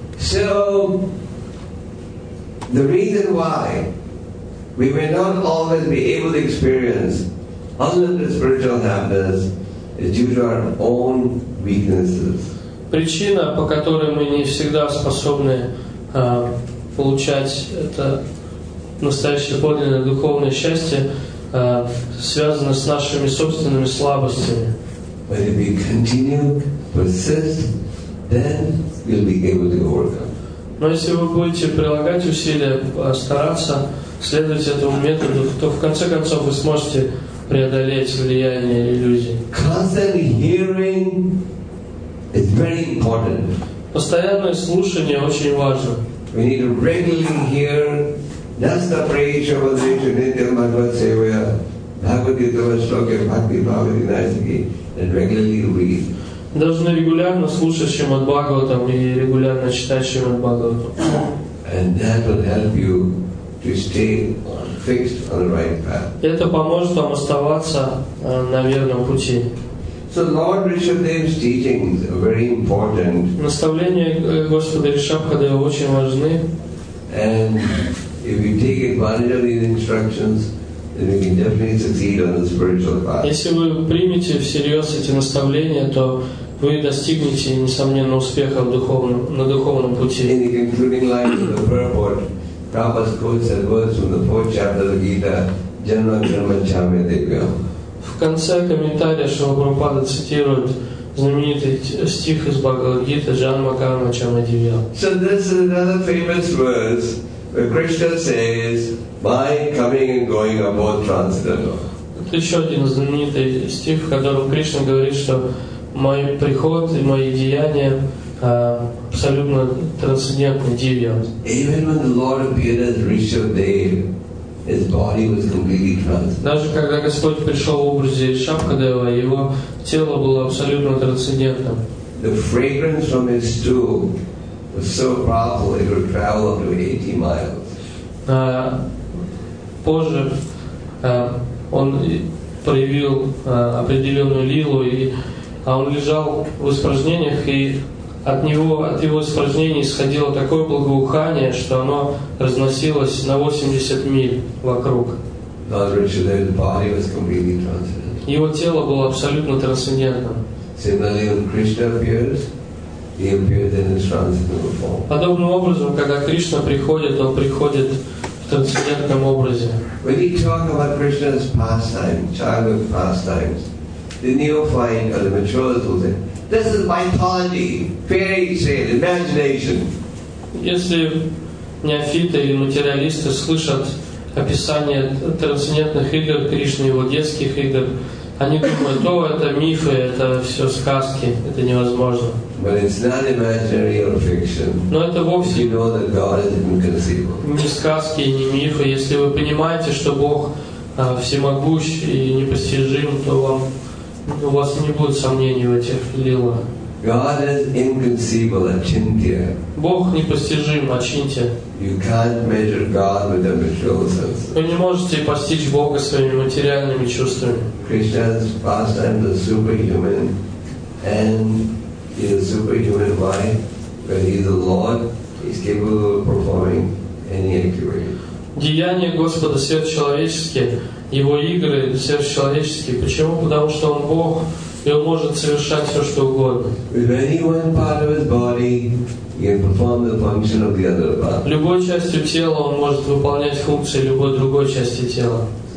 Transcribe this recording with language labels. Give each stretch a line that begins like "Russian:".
English: So the reason why we may not always be able to experience unlimited spiritual happiness is due to our own weaknesses.
Russian: Причина, по которой мы не всегда способны получать это настоящее подлинное духовное счастье, связано с нашими собственными слабостями.
English: But if you continue, persist, then you'll be able to overcome.
Russian: Но если вы будете прилагать усилия, стараться следовать этому методу, то в конце концов вы сможете преодолеть влияние иллюзий.
English: Constantly hearing is very important.
Russian: Постоянное слушание очень важно.
English: We need to regularly hear. That's the praise of the Nityam Bhagavad Sevaya, Bhagavad Gita Vashloka, Bhakti Bhavati Nasiki, and regularly read.
Russian: Должны регулярно слушать Шримад Бхагаватам и регулярно читать Шримад Бхагаватам.
English: And that will help you to stay fixed on the right path.
Russian: Это поможет вам оставаться на верном пути.
English: So Lord Rishabhadev's teachings are very important.
Russian: Наставления Господа Ришабхадева очень важны.
English: And if we take advantage of these instructions, then we can definitely succeed on the spiritual path.
Russian: Если вы примете всерьез эти наставления, то вы достигнете несомненно успеха на духовном пути.
English: In the concluding lines of the purport, Prabhupada quotes a verse from the fourth chapter of the Gita, Janma Karma Chamya Devyam.
Russian: В конце комментария Шрила Прабхупада цитирует знаменитый стих из Бхагавад Гиты Джанма Карма Чамья Девьям.
English: So this is another famous verse. Krishna says, "My coming and going are both transcendental."
Russian: Это еще один знаменитый стих, в котором Кришна говорит, что мой приход и мои деяния абсолютно трансцендентны, дивны.
English: Even when the Lord appeared as Rishabhadev, his body was completely transcendental.
Russian: Даже когда Господь пришел в образе Ришабхадева, его тело было абсолютно трансцендентным.
English: The fragrance from his stool was so powerful it would travel up to 80 miles.
Russian: Позже он проявил определенную лилу, а он лежал в испражнениях, и от его испражнений исходило такое благоухание, что оно разносилось на 80 миль вокруг.
English: Lord Richard's body was completely transcendent.
Russian: Его тело было абсолютно трансцендентным.
English: Similarly, when Krishna appears, he appeared in his transcendental form.
Russian: Подобным образом, когда Кришна приходит, он приходит в трансцендентном образе.
English: When you talk about Krishna's pastimes, childhood pastimes, the neophyte or the mature will say, "This is mythology, fairy tale, imagination."
Russian: Если неофиты или материалисты слышат описание трансцендентных игр Кришны, его детских игр, они думают, о, это мифы, это все сказки, это невозможно.
English: But it's not imaginary or fiction.
Russian: Но это вовсе
English: you know that God is inconceivable.
Russian: Не сказки, не мифы. Если вы понимаете, что Бог всемогущ и непостижим, то у вас не будет сомнений в этих лилах.
English: God is inconceivable, Achintya.
Russian: Бог непостижим, Ачинтья.
English: You can't measure God with the material senses.
Russian: Вы не можете постичь Бога своими материальными чувствами.
English: Krishna's pastimes are superhuman, and he is a superhuman mind. When he is the Lord, he is capable of performing any activity.
Russian: Деяния Господа сверхчеловеческие, его игры сверхчеловеческие. Почему? Потому что он Бог, и он может совершать все, что угодно.
English: With any one part of his body, he can perform the function of the other part.
Russian: Любой частью тела он может выполнять функции любой другой части тела.